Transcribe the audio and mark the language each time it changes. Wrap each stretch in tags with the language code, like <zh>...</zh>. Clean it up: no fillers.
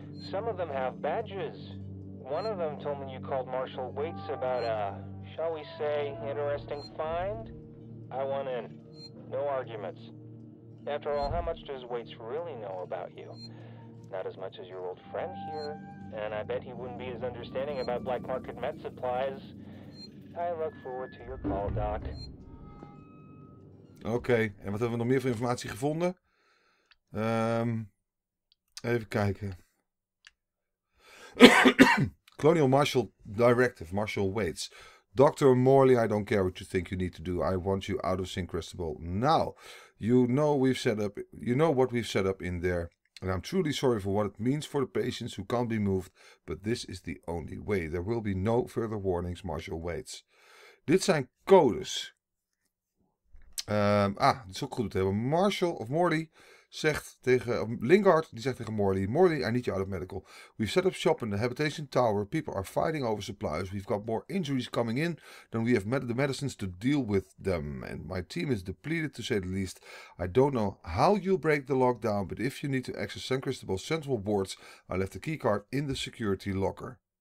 <en>Some of them have badges. One of them told me you called Marshall Waits about a, shall we say, interesting find. I want in. No arguments. After all, how much does Waits really know about you? Not as much as your old friend here. And I bet he wouldn't be as understanding about black market med supplies. I look forward to your call, Doc.</en> <nl>Okay, en wat hebben we nog meer voor informatie gevonden? Even kijken.</nl> <en>Colonial Marshall Directive, Marshall Waits. Dr. Morley, I don't care what you think you need to do. I want you out of San Cristobal now. You know what we've set up in there. And I'm truly sorry for what it means for the patients who can't be moved. But this is the only way. There will be no further warnings, Marshall Waits.</en> <nl>Dit zijn codes. Het is ook goed om te hebben. Marshall of Morley. Zegt tegen Lingard, die zegt tegen Morley.</nl> <en>Morley, I need you out of medical. We've set up shop in the habitation tower. People are fighting over supplies. We've got more injuries coming in than we have the medicines to deal with them. And my team is depleted, to say the least. I don't know how you'll break the lockdown, but if you need to access San Cristobal central wards, I left the keycard in the security locker.</en>